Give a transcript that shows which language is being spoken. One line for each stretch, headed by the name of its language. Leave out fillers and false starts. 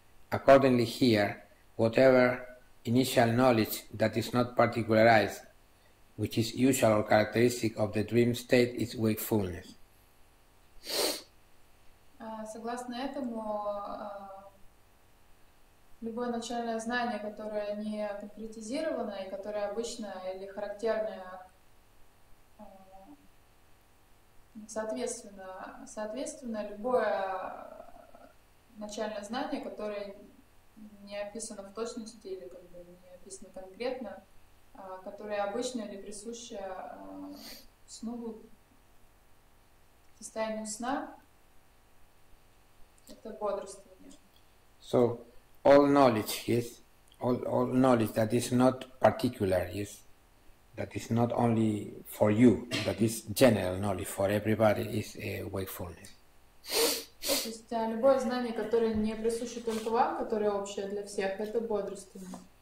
English: Accordingly here, whatever initial knowledge that is not particularized, which is usual or characteristic of the dream state, is wakefulness.
Russian: Согласно этому, любое начальное знание, которое не конкретизировано и которое обычное или характерное, соответственно, любое начальное знание, которое не описано в точности или как бы не описано конкретно, которое обычно или присуще сну, состоянию сна, это бодрствование.
English: So all knowledge, yes, all knowledge that is not particular, yes, that is not only for you, that is general knowledge for everybody, is a wakefulness.
Russian: То есть любое знание, которое не присуще только вам, которое общее для всех, это бодрствование.